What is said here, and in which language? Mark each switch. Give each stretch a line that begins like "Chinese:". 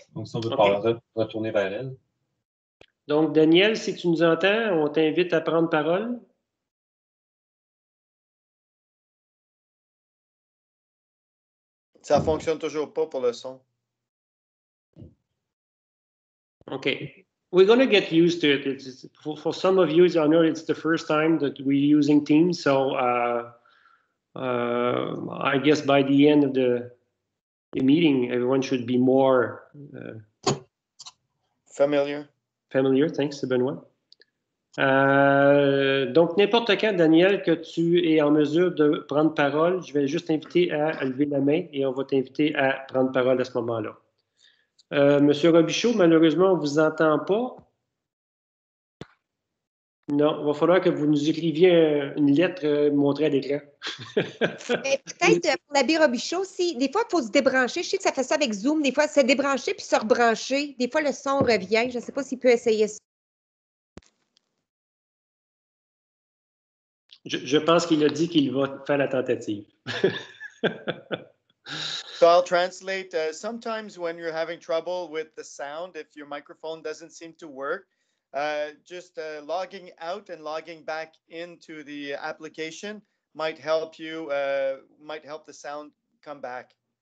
French: Donc, si on veut retourner vers elle. Donc, Daniel, si tu nous entends, on t'invite à prendre parole. Ça ne fonctionne toujours pas pour le son.
English: OK. We're going to get used to it. It's, for some of you, I know it's the first time that we're using Teams. So I guess by the end of the meeting, everyone should be more... Familiar, thanks, Benoît.
French: Donc, n'importe quand, Daniel, que tu es en mesure de prendre parole, je vais juste t'inviter à lever la main et on va t'inviter à prendre parole à ce moment-là. Monsieur Robichaud, malheureusement, on ne vous entend pas. Non, il va falloir que vous nous écriviez une lettre montrée à l'écran. Peut-être pour l'abbé Robichaud aussi. Des fois, il faut se débrancher. Je sais que ça fait ça avec Zoom. Des fois, se débrancher puis se rebrancher. Des fois, le son revient. Je ne sais pas s'il peut essayer ça. Je pense qu'il a dit qu'il va faire la tentative.
English: So I'll translate. Sometimes when you're having trouble with the sound, if your microphone doesn't seem to work, Logging out and logging back into the application might help you, might help the sound come back.